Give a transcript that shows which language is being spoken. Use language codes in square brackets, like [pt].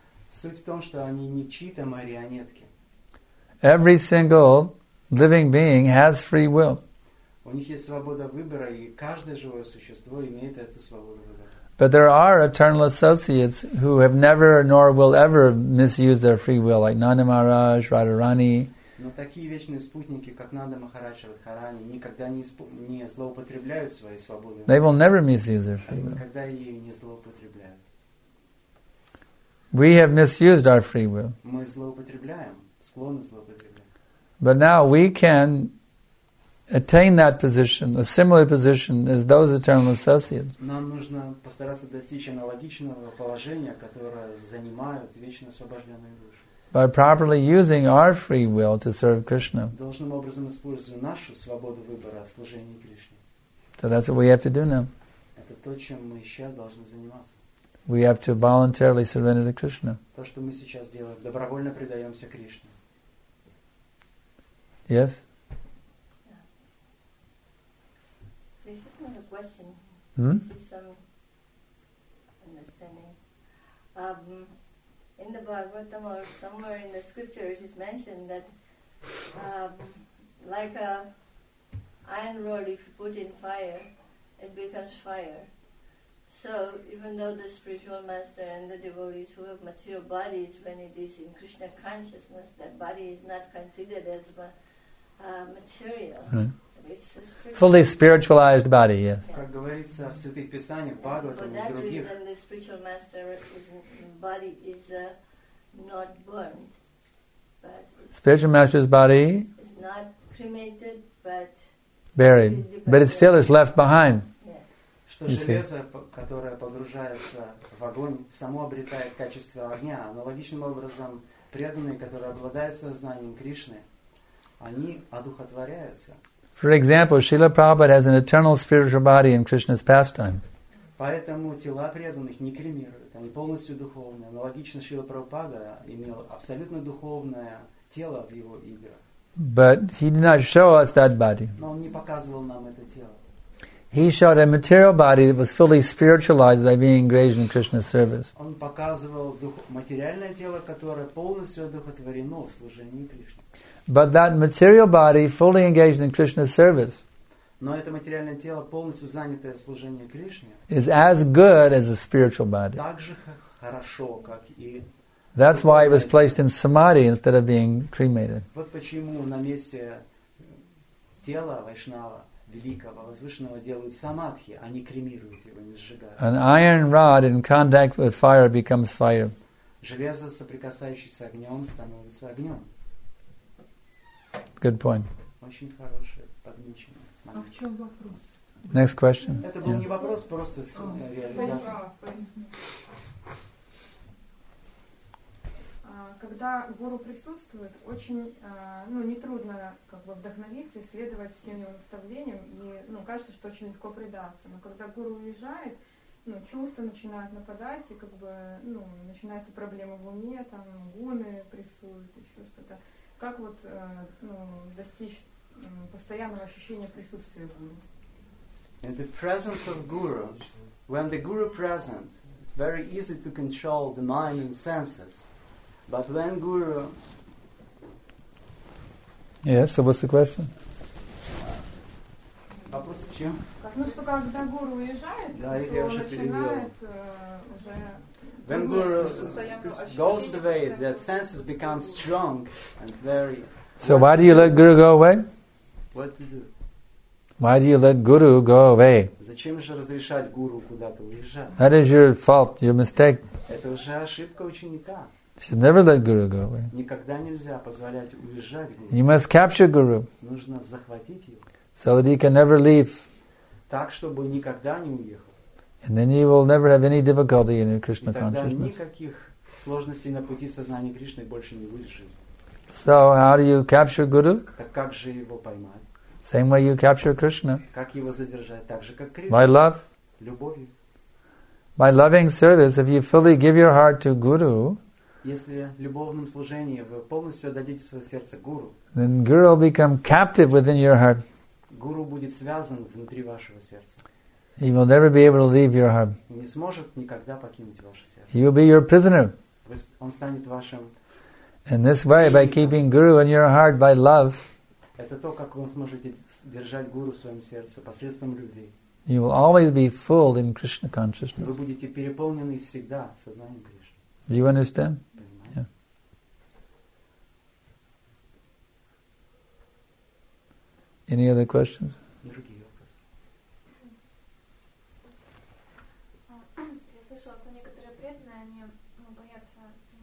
[ru] Суть в том, что они не чьи-то марионетки. [en] Every single living being has free will. [ru] У них есть свобода выбора, и каждое живое существо имеет эту свободу выбора. [en] But there are eternal associates who have never nor will ever misuse their free will, like Nanda Maharaj, Radharani. [ru] Но такие вечные спутники, как Нанда Махарадж и Радхарани, никогда не злоупотребляют своей свободой. [en] They will never misuse their free will. [ru] Никогда ею не злоупотребляют. [en] We have misused our free will. [ru] Мы злоупотребляем, склонны злоупотреблять. [en] But now we can attain that position, a similar position as those eternal associates. [ru] Нам нужно постараться достичь аналогичного положения, которое занимают вечно освобожденные души. [en] By properly using our free will to serve Krishna. [ru] Должным образом используя нашу свободу выбора в служении Кришне. [en] So that's what we have to do now. [ru] Это то, чем мы сейчас должны заниматься. [en] We have to voluntarily surrender to Krishna. [ru] То, что мы сейчас делаем, добровольно предаемся Кришне. [en] Yes? This is not a question. This is some understanding. In the Bhagavatam or somewhere in the scripture, it is mentioned that like a iron rod, if you put in fire, it becomes fire. So even though the spiritual master and the devotees who have material bodies, when it is in Krishna consciousness, that body is not considered as material. Right. Fully spiritualized body, yes. [ru] Как говорится в святых писаниях, Бхагаватам и других. [en] For that reason, the spiritual master body is not burned, but spiritual master's body is not cremated, but buried. But it still is left behind. [ru] Что железо, которое погружается в огонь, само обретает качество огня. Аналогичным образом, преданные, которые обладают сознанием Кришны, они одухотворяются. [en] For example, Srila Prabhupada has an eternal spiritual body in Krishna's pastimes. [ru] Поэтому тела преданных не кремируют, они полностью духовные. Аналогично Шрила Прабхупада имел абсолютно духовное тело в его играх. [en] But he did not show us that body. [ru] Но он не показывал нам это тело. [en] He showed a material body that was fully spiritualized by being engaged in Krishna's service. [ru] Он показывал материальное тело, которое полностью одухотворено в служении Кришне. [en] But that material body, fully engaged in Krishna's service, [ru] но это материальное тело, полностью занятое в служении Кришне, [en] is as good as a spiritual body. [ru] Так же хорошо, как и [en] That's why it was placed in samadhi instead of being cremated. [ru] Вот почему на месте тела Вайшнава, великого, возвышенного, делают самадхи, а не кремируют его, не сжигают. [en] An iron rod in contact with fire becomes fire. [ru] Железо, соприкасающееся с огнем, становится огнем. [en] Good point. [ru] Очень хорошее подмечено. А в чем вопрос? [en] Next question. [ru] Это был не вопрос, просто с реализацией. Когда гуру присутствует, очень нетрудно как бы вдохновиться и следовать всем его наставлениям, и кажется, что очень легко предаться. Но когда гуру уезжает, чувства начинают нападать, и как бы начинаются проблемы в уме, там гуны прессуют, еще что-то. Как вот достичь постоянного ощущения присутствия гуру? [en] In the presence of guru, when the guru present, very easy to control the mind and senses. But when guru... Yes, so what's the question? [ru] Вопрос в чем? Что когда гуру уезжает, то начинает уже... [en] When guru goes away, the senses become strong and very... So why do you let guru go away? What to do? Why do you let guru go away? [ru] Зачем же разрешать гуру куда-то уезжать? [en] That is your fault, your mistake. [ru] Это уже ошибка ученика. [en] You should never let guru go away. [ru] Никогда нельзя позволять уезжать гуру. [en] You must capture guru. [ru] Нужно захватить его. [en] So that he can never leave. [ru] Так, чтобы никогда не уехал. [en] And then you will never have any difficulty in your Krishna consciousness. [ru] Никаких сложностей на пути сознания Кришны больше не будет в жизни. [en] So how do you capture Guru? [ru] Так как же его поймать? [en] Same way you capture Krishna. [ru] Как его задержать? Так же, как Кришна. [en] By love. [ru] Любовью. [en] By loving service, if you fully give your heart to Guru, [ru] если любовным служением вы полностью отдадите свое сердце Гуру, [en] then Guru will become captive within your heart. [ru] Гуру будет связан внутри вашего сердца. [en] He will never be able to leave your heart. [ru] Не сможет никогда покинуть ваше сердце. [en] He will be your prisoner. [ru] Он станет вашим. [en] In this way, by keeping guru in your heart by love, [ru] это то, как вы сможете держать гуру в своем сердце посредством любви. [en] You will always be full in Krishna consciousness. [ru] Вы будете переполнены всегда сознанием Кришны. [en] Do you understand? Yeah. Any other questions? [ru] Я слышала, что некоторые преданные, они боятся